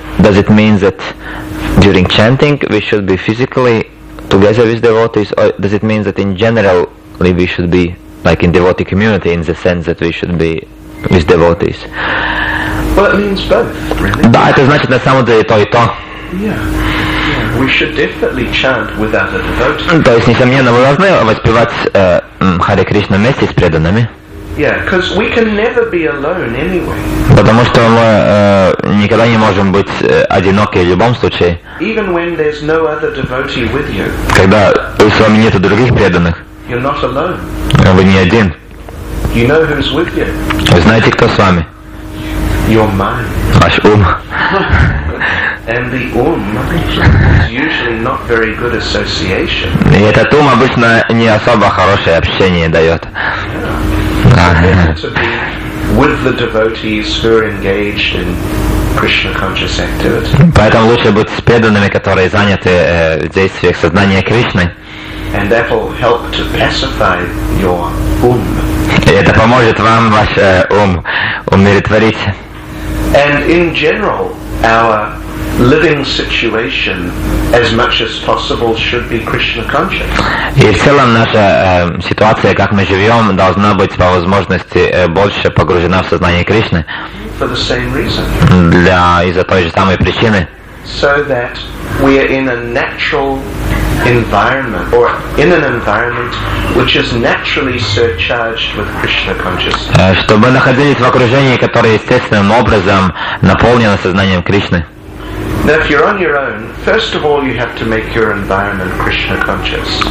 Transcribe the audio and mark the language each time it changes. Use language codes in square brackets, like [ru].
[en] Does it mean that during chanting we should be physically together with devotees, or does it mean that in general we should be like in devotee community, in the sense that we should be with devotees? Well, it means both, really. [ru] Да, это значит на самом деле то и то. [en] Yeah. We should definitely chant without a devotee. [ru] То есть, несомненно, мы должны воспевать Харе Кришну вместе с преданными. [en] Yeah, because we can never be alone anyway. [ru] Потому что мы никогда не можем быть одиноки в любом случае. [en] Even when there's no other devotee with you. [ru] Когда с вами нет других преданных. [en] You're not alone. [ru] Вы не один. [en] You know who's with you. [ru] Вы знаете, кто с вами? [en] Your mind. [ru] Ваш ум. [en] And the is usually not very good association. [ru] И этот ум обычно не особо хорошее общение дает. [en] With the devotees who are engaged in Krishna conscious activity. [ru] Поэтому лучше быть с преданными, которые заняты в действиях сознания Кришны. [en] And that will help to pacify your [ru] ум. И это поможет вам ваш ум умиротворить. [en] And in general, our living situation, as much as possible, should be Krishna conscious. [ru] И в целом наша ситуация, как мы живем, должна быть по возможности больше погружена в сознание Кришны. [en] For the same reason. [ru] Для из-за той же самой причины. [en] So that we are in a natural environment, or in an environment which is naturally surcharged with Krishna consciousness. [ru] Чтобы находились в окружении, которое естественным образом наполнено сознанием Кришны. [en] Now, if you're on your own, first of all, you have to make your environment Krishna conscious.